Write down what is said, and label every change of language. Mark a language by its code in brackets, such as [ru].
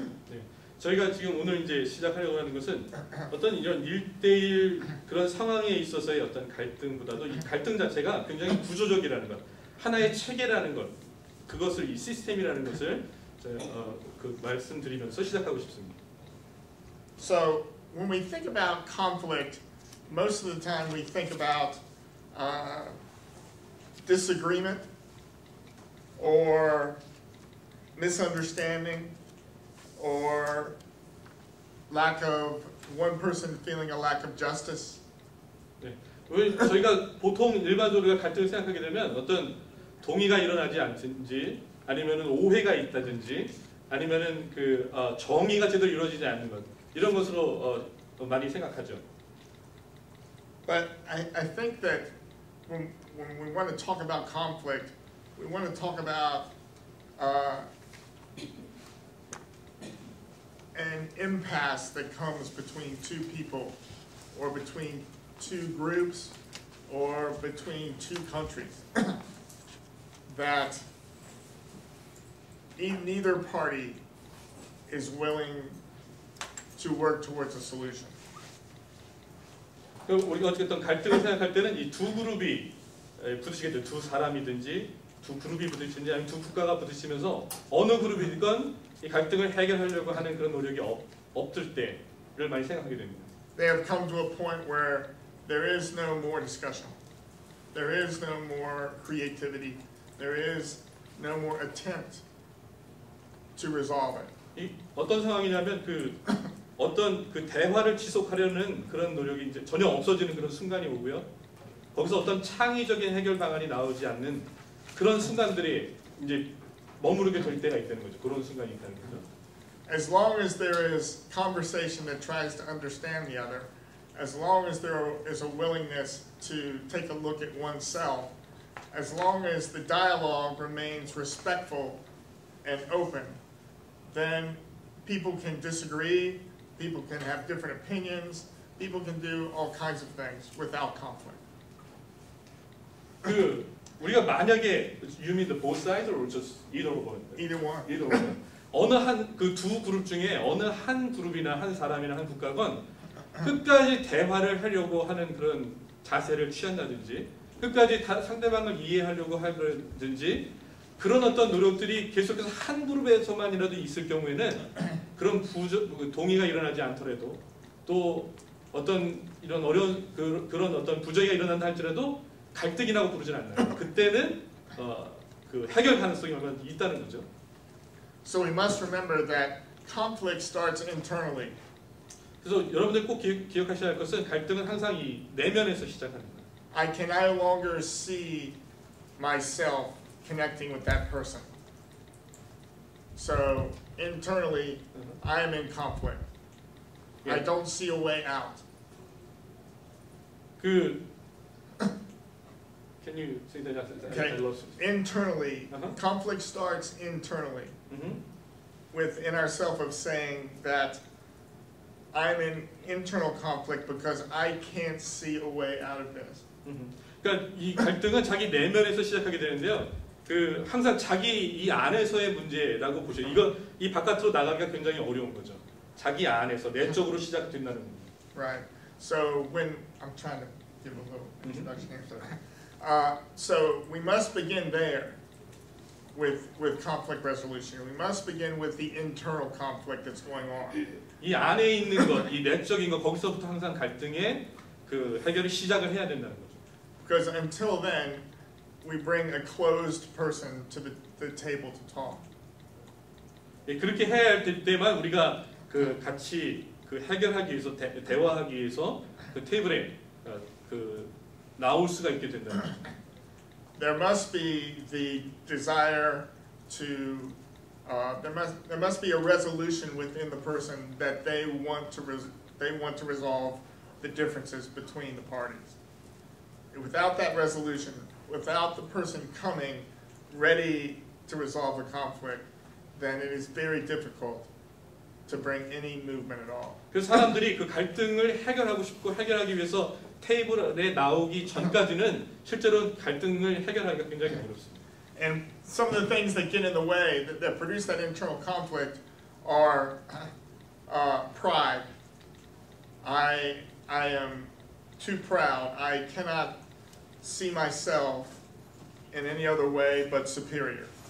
[ko] 네, 저희가 지금 오늘 이제 시작하려고 하는 것은 어떤 이런 일대일 그런 상황에 있어서의 어떤 갈등보다도 이 갈등 자체가 굉장히 구조적이라는 것, 하나의 체계라는 것, 그것을 이 시스템이라는 것을 그 말씀드리면서 시작하고 싶습니다. [en] So when we think about conflict, most of the time we think about disagreement or misunderstanding or lack of one person feeling a lack of justice. [ko] 네, 저희가 보통 일반적으로 갈등을 생각하게 되면 어떤 동의가 일어나지 않든지. 아니면은 오해가 있다든지 아니면은 그 정의가 제대로 이루어지지 않는 것 이런 것으로 많이 생각하죠. [en] But I think that when we want to talk about conflict, we want to talk about an impasse that comes between two people or between two groups or between two countries that neither party is willing to work towards a solution. [ko] 그럼 우리가 어쨌든 갈등을 생각할 때는 이 두 그룹이 부딪히겠죠. 두 사람이든지 두 그룹이 부딪히든지 아니면 두 국가가 부딪히면서 어느 그룹이든 이 갈등을 해결하려고 하는 그런 노력이 없을 때를 많이 생각하게 됩니다. [en] They have come to a point where there is no more discussion. There is no more creativity. There is no more attempt to resolve it. [ko] 이 어떤 상황이냐면 그 어떤 그 대화를 지속하려는 그런 노력이 이제 전혀 없어지는 그런 순간이 오고요. 거기서 어떤 창의적인 해결 방안이 나오지 않는 그런 순간들이 이제 머무르게 될 때가 있다는 거죠. 그런 순간이 있다는 거죠. [en] As long as there is conversation that tries to understand the other, as long as there is a willingness to take a look at oneself, as long as the dialogue remains respectful and open, then people can disagree, people can have different opinions, people can do all kinds of things without conflict. [ko] 그 우리가 만약에 [en] you mean the both sides or just either one? Either one. Either one. [ko] 어느 한 그 두 그룹 중에 어느 한 그룹이나 한 사람이나 한 국가건 끝까지 대화를 하려고 하는 그런 자세를 취한다든지 끝까지 상대방을 이해하려고 하든지 그런 어떤 노력들이 계속해서 한 그룹에서만이라도 있을 경우에는 그런 동의가 일어나지 않더라도 또 어떤 이런 어려운 그런 어떤 부정이 일어난다 할지라도 갈등이라고 부르진 않나요? 그때는 그 해결 가능성이 얼마나 있다는 거죠. [en] So we must remember that conflict starts internally. [ko] 그래서 여러분들 꼭 기억하셔야 할 것은 갈등은 항상 이 내면에서 시작합니다. [en] I can no longer see myself connecting with that person. So internally, I am in conflict. Yeah. I don't see a way out. Good. Can you say that? Okay. Internally, uh-huh. conflict starts internally mm-hmm. within ourselves of saying that I'm in internal conflict because I can't see a way out of this. Mm-hmm. [ko] 그러니까 이 갈등은 자기 내면에서 시작하게 되는데요. 그 항상 자기 이 안에서의 문제라고 보셔. 이거 이 바깥으로 나가기가 굉장히 어려운 거죠. 자기 안에서 내적으로 시작된다는 겁니다. [en] Right. So when I'm trying to give a little introduction here, so we must begin there with conflict resolution. We must begin with the internal conflict that's going on. [ko] 이 안에 있는 것, 이 내적인 것, 거기서부터 항상 갈등의 그 해결을 시작을 해야 된다는 거죠. [en] Because until then, we bring a closed person to the table to talk. [ko] 예, 그렇게 해야 할 때만 우리가 그 같이 그 해결하기 위해서 대화하기 위해서 그 테이블에 그 나올 수가 있게 된다. [en] There must be the desire to there must be a resolution within the person that they want to resolve the differences between the parties. Without that resolution, without the person coming ready to resolve a conflict, then it is very difficult to bring any movement at all. [ko] 그 사람들이 그 갈등을 해결하고 싶고 해결하기 위해서 테이블에 나오기 전까지는 실제로 갈등을 해결하기가 굉장히 어렵습니다. [en] And some of the things that get in the way that produce that internal conflict are pride. I am too proud. I cannot see myself in any other way but superior.